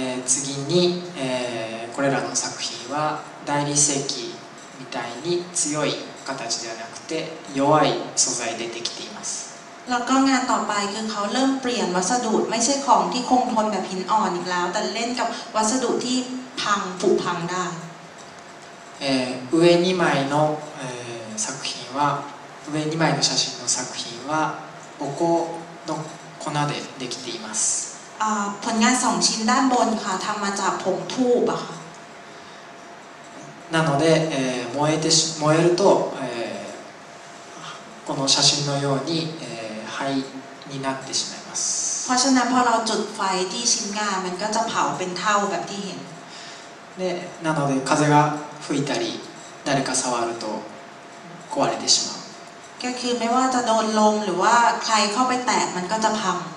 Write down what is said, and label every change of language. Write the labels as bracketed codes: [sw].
[ja] 次に、これらの作品は大理石みたいに強い形ではなくて弱い素材でできています。 [th] แล้วก็งานต่อไปคือเขาเริ่มเปลี่ยนวัสดุไม่ใช่ของที่คงทนแบบหินอ่อนอีกแล้วแต่เล่นกับวัสดุที่พังผุพังได้ [ja] 上2枚の作品は上2枚の写真の作品はお香の粉でできています [th] ผลงาน2ชิ้นด้านบนค่ะทำมาจากผงธูปค่ะ [ja] なので燃えるとこの写真のように灰になってしまいます。 [th] เพราะฉะนั้นพอเราจุดไฟที่ชิ้นงานมันก็จะเผาเป็นเท่าแบบที่เห็น。 [ja] で、なので風が吹いたり誰か触ると壊れてしまう。 [th] ก็คือไม่ว่าจะโดนลมหรือว่าใครเข้าไปแตะมันก็จะพัง。